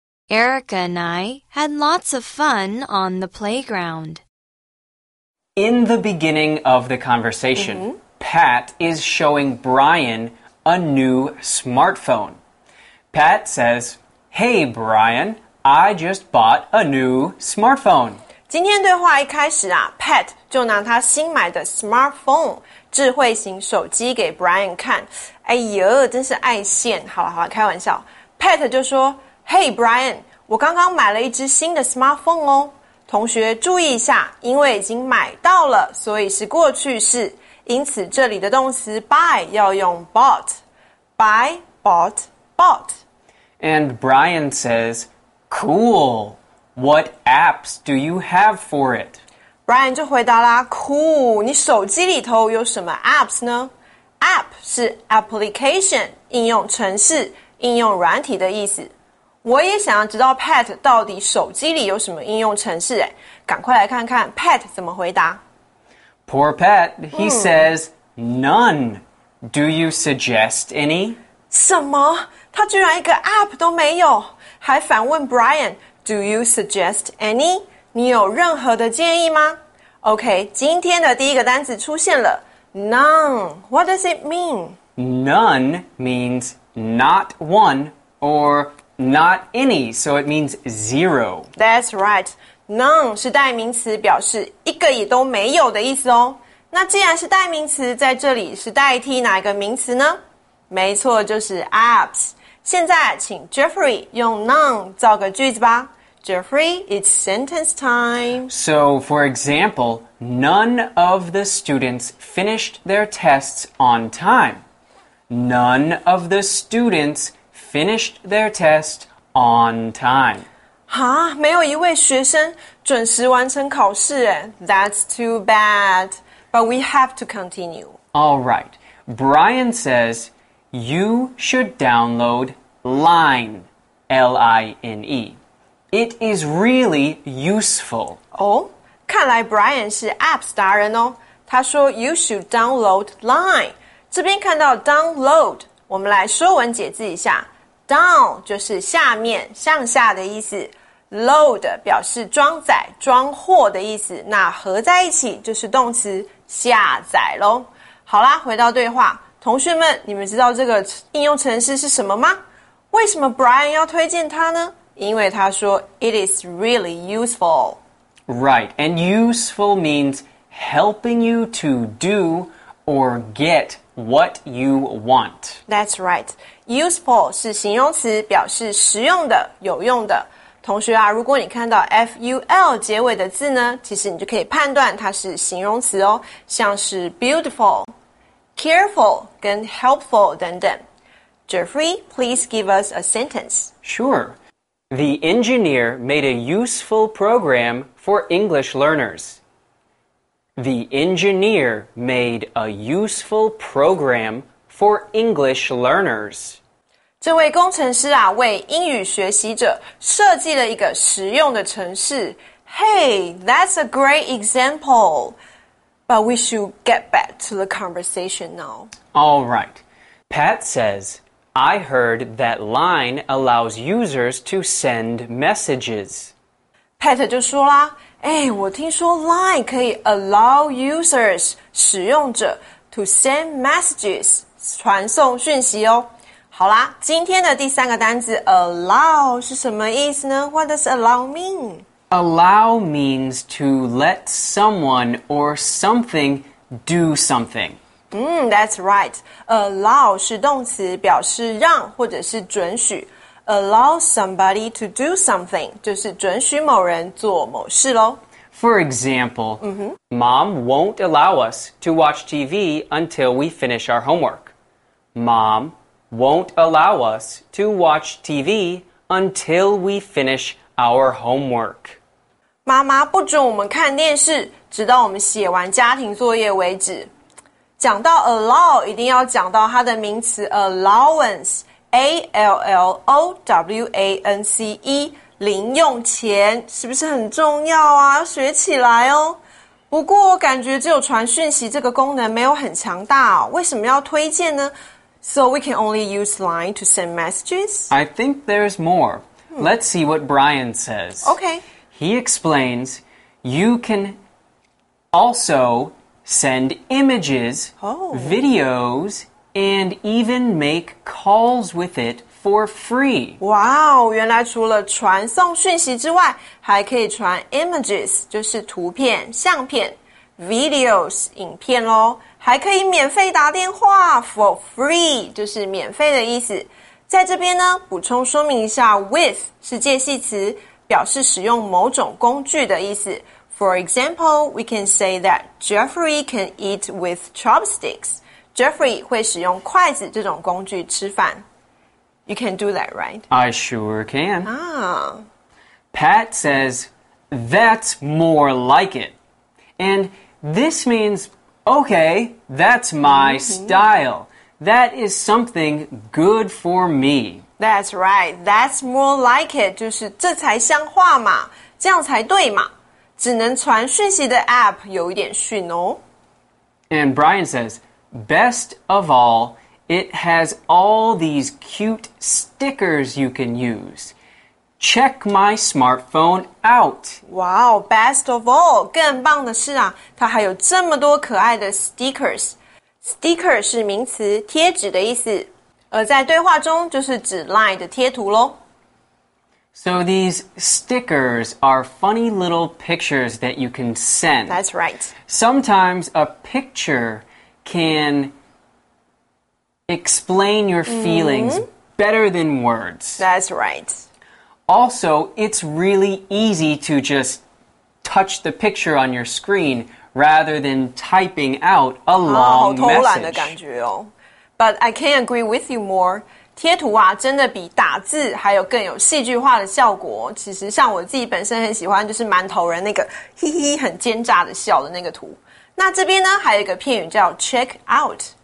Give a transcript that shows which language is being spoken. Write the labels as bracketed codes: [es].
[en] Erica and I had lots of fun on the playground. In the beginning of the conversation, Pat is showing Brian a new smartphone. Pat says, Hey, Brian, I just bought a new smartphone. [zh] 今天对话一开始啊 ,Pat 就拿他新买的 smartphone, 智慧型手机给 Brian 看。哎哟真是爱现。好了好了开玩笑。 Pat 就说 Hey, Brian, 我刚刚买了一只新的 smartphone 哦。同学注意一下，因为已经买到了，所以是过去式。因此这里的动词 buy 要用 bought。 [en] Buy, bought, bought. And Brian says, cool, what apps do you have for it? [zh] Brian 就回答啦 cool, 你手机里头有什么 apps 呢? App 是 application, 应用程式、应用软体的意思。我也想要知道 Pat 到底手机里有什么应用程式诶。赶快来看看 Pat 怎么回答。 Poor Pat, he says, none. Do you suggest any? 什么？他居然一个 app 都没有。还反问 Brian, do you suggest any? 你有任何的建议吗？ OK, 今天的第一个单词出现了。 [en] None. What does it mean? None means not one or... Not any, so it means zero. That's right. [zh] None 是代名词表示一个也都没有的意思哦。那既然是代名词在这里是代替哪一个名词呢？没错就是 apps. 现在请 Jeffrey 用 none 造个句子吧。 [en] Jeffrey, it's sentence time. So, for example, none of the students finished their tests on time. None of the students finished their test on time. [zh] 哈，没有一位学生准时完成考试耶。 [en] That's too bad. But we have to continue. All right. Brian says, you should download Line, L-I-N-E. It is really useful. [zh] 哦，看来 Brian 是 apps 达人哦。 [en] 他说 you should download Line. [zh] 这边看到 download, 我们来说文解字一下。 Down 就是下面、向下的意思。Load 表示装载、装货的意思。那合在一起就是动词下载咯。好啦，回到对话。同学们，你们知道这个应用程式是什么吗？为什么 Brian 要推荐它呢？ [en] 因为他说 It is really useful. Right, and useful means helping you to do or get what you want. That's right. [zh] Useful 是形容词，表示实用的、有用的。同学啊，如果你看到 ful 结尾的字呢，其实你就可以判断它是形容词哦，像是 beautiful、careful 跟 helpful 等等。 [en] Jeffrey, please give us a sentence. Sure. The engineer made a useful program for English learners. The engineer made a useful program for English learners. [zh] 这位工程师啊，为英语学习者设计了一个实用的程式。 [en] Hey, that's a great example. But we should get back to the conversation now. All right. Pat says, I heard that Line allows users to send messages. [zh] Pat 就说啦，哎，我听说 Line 可以 allow users, 使用者 to send messages, 传送讯息哦。好啦，今天的第三个单字 allow 是什么意思呢？ [en] What does allow mean? Allow means to let someone or something do something. That's right. [zh] Allow 是动词，表示让或者是准许。 Allow somebody to do something 就是准许某人做某事咯。 [en] For example,、Mom won't allow us to watch TV until we finish our homework. Mom won't allow us to watch TV until we finish our homework. [zh] 妈妈不准我们看电视直到我们写完家庭作业为止。讲到 allow, 一定要讲到它的名词 allowance。 A-L-L-O-W-A-N-C-E, 零用钱是不是很重要啊？要学起来哦。不过我感觉只有传讯息这个功能没有很强大哦。为什么要推荐呢？ [en] So we can only use Line to send messages? I think there's more. Let's see what Brian says. Okay. He explains, you can also send images,、videos,and even make calls with it for free. [zh] Wow, 原来除了传送讯息之外，还可以传 images, 就是图片、相片， videos, 影片咯，还可以免费打电话 for free, 就是免费的意思。在这边呢，补充说明一下 with 是介系词，表示使用某种工具的意思。 [en] For example, we can say that Jeffrey can eat with chopsticks. [zh] Jeffrey 会使用筷子这种工具吃饭。 [en] You can do that, right? I sure can. Ah. Pat says, that's more like it. And this means, okay, that's my style. That is something good for me. That's right. That's more like it. [zh] 就是这才像话嘛，这样才对嘛。只能传讯息的 app 有一点逊哦。 [en] And Brian says,best of all, it has all these cute stickers you can use. Check my smartphone out. [zh] Wow, best of all, 更棒的是啊，它还有这么多可爱的 stickers. Sticker 是名词，贴纸的意思，而在对话中就是指 LINE 的贴图咯。 [en] So these stickers are funny little pictures that you can send. That's right. Sometimes a picturecan explain your feelings better than words. That's right. Also, it's really easy to just touch the picture on your screen rather than typing out a long message. 好偷懒的感觉哦。 But I can agree with you more. [zh] 贴图啊，真的比打字还有更有戏剧化的效果。其实像我自己本身很喜欢，就是馒头人那个嘿嘿很奸诈的笑的那个图。那这边呢，还有一个片语叫 check out。